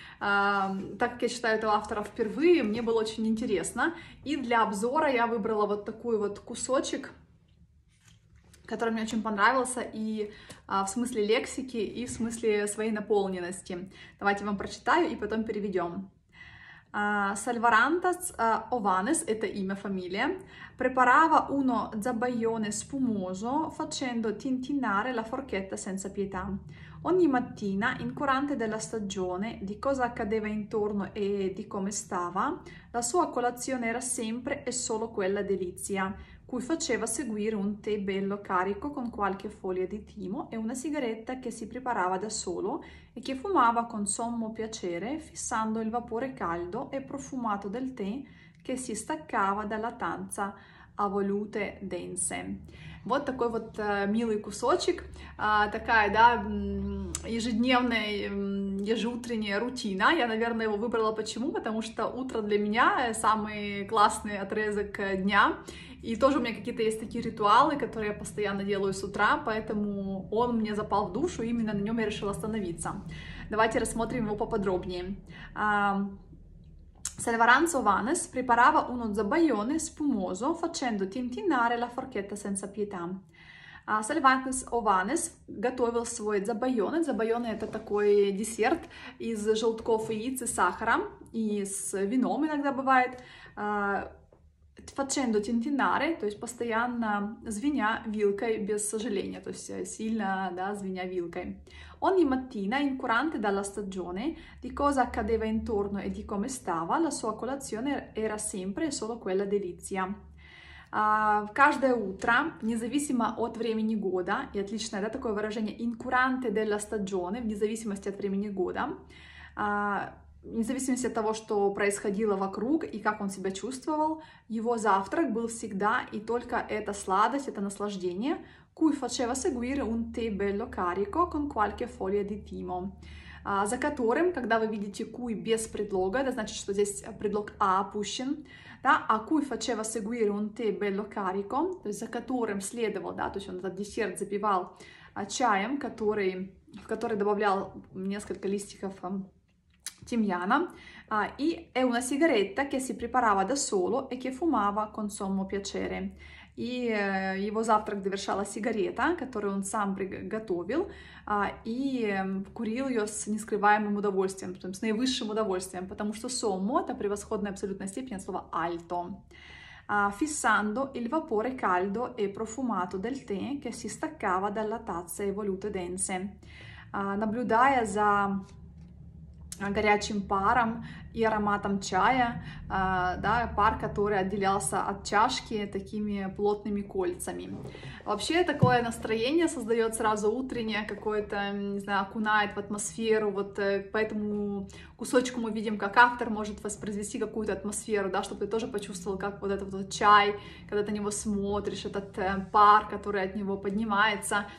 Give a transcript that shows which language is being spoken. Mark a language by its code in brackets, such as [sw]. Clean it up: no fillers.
[ru] Так как я читаю этого автора впервые, мне было очень интересно. И для обзора я выбрала вот такой вот кусочек, который мне очень понравился и в смысле лексики, и в смысле своей наполненности. Давайте вам прочитаю и потом переведем. [it] Сальварантас Ованес, [ru] это имя, фамилия, [it] препарава uno zabaione spumoso facendo tintinnare la forchetta senza pietà. Ogni mattina, incurante della stagione, di cosa accadeva intorno e di come stava, la sua colazione era sempre e solo quella delizia, cui faceva seguire un tè bello carico con qualche foglia di timo e una sigaretta che si preparava da solo e che fumava con sommo piacere, fissando il vapore caldo e profumato del tè che si staccava dalla tazza a volute dense. [ru] Вот такой вот милый кусочек, такая, да, ежедневная, ежеутренняя рутина. Я, наверное, его выбрала почему? Потому что утро для меня самый классный отрезок дня. И тоже у меня какие-то есть такие ритуалы, которые я постоянно делаю с утра, поэтому он мне запал в душу, и именно на нем я решила остановиться. Давайте рассмотрим его поподробнее. [it] Сальваранцо Ванес препарава uno zabaione spumoso facendo tintinnare la forchetta senza pietà. [ru] Сальваранцо Ованес готовил свой забайоне. Забайоне — это такой десерт из желтков и яиц и сахара, и с вином иногда бывает. [it] Facendo tintinnare, [ru] то есть постоянно звеня вилкой без сожаления, то есть сильно, да, звеня вилкой. [it] Ogni mattina, incurante dalla stagione, di cosa accadeva intorno e di come stava, la sua colazione era sempre e solo quella delizia. [ru] Каждое утро, независимо от времени года, и отличное, да, такое выражение, [it] incurante della stagione, [ru] вне зависимости от времени года, вне зависимости от того, что происходило вокруг и как он себя чувствовал, его завтрак был всегда и только эта сладость, это наслаждение, [it] cui faceva seguire un tè bello carico con qualche foglia di timo. [ru] За которым, когда вы видите cui без предлога, это значит, что здесь предлог a опущен, да, [it] a cui faceva seguire un tè bello carico, [ru] то есть за которым следовал, да, то есть он этот десерт запивал чаем, в который добавлял несколько листиков тимьяна, и [it] è una sigaretta che si preparava da solo e che fumava con sommo piacere. [ru] И его завтрак довершала сигарета, которую он сам приготовил, и курил ее с нескрываемым удовольствием, с наивысшим удовольствием, потому что сомо — это превосходная абсолютная степень слова альто. [it] Fissando il vapore caldo e profumato del tè che si staccava dalla tazza evolute dense. [ru] Наблюдая за горячим паром и ароматом чая, да, пар, который отделялся от чашки такими плотными кольцами. Вообще такое настроение создает сразу утреннее какое-то, не знаю, окунает в атмосферу, вот по этому кусочку мы видим, как автор может воспроизвести какую-то атмосферу, да, чтобы ты тоже почувствовал, как вот этот вот чай, когда ты на него смотришь, этот пар, который от него поднимается.